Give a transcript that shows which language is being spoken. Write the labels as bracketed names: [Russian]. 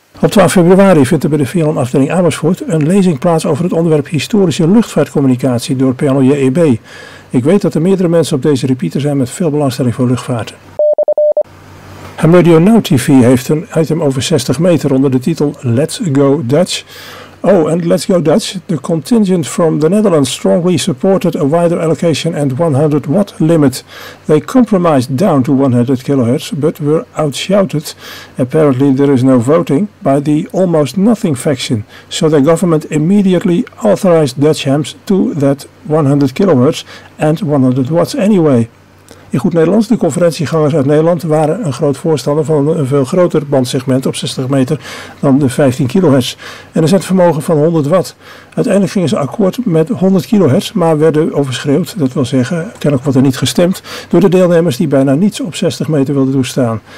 [Dutch] Op 12 februari vindt er bij de VLM afdeling Amersfoort een lezing plaats over het onderwerp historische luchtvaartcommunicatie door PLJEB. Ik weet dat er meerdere mensen op deze repeater zijn met veel belangstelling voor luchtvaart. Ham Radio Now TV heeft een item over 60 meter onder de titel Let's Go Dutch. [English] Oh, and Let's Go Dutch, the contingent from the Netherlands strongly supported a wider allocation and 100 watt limit. They compromised down to 100 kHz, but were outshouted. Apparently there is no voting by the almost nothing faction. So the government immediately authorized Dutch hams to that 100 kHz and 100 watts anyway. [Dutch] In goed Nederlands, de conferentiegangers uit Nederland waren een groot voorstander van een veel groter bandsegment op 60 meter dan de 15 kHz en een zendvermogen van 100 watt. Uiteindelijk gingen ze akkoord met 100 kHz, maar werden overschreeuwd, dat wil zeggen, kennelijk wordt er niet gestemd, door de deelnemers die bijna niets op 60 meter wilden toestaan.